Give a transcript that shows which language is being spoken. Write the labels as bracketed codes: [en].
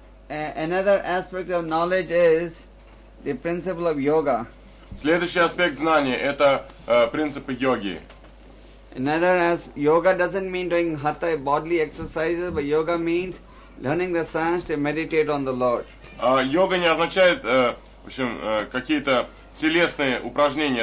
[en] Another aspect of knowledge is the principle of yoga. [ru] Следующий аспект знания – это принципы йоги. [en] Yoga doesn't mean doing hatha bodily exercises, but yoga means learning the science to meditate on the Lord. [ru] Йога не означает, в общем, какие-то телесные упражнения.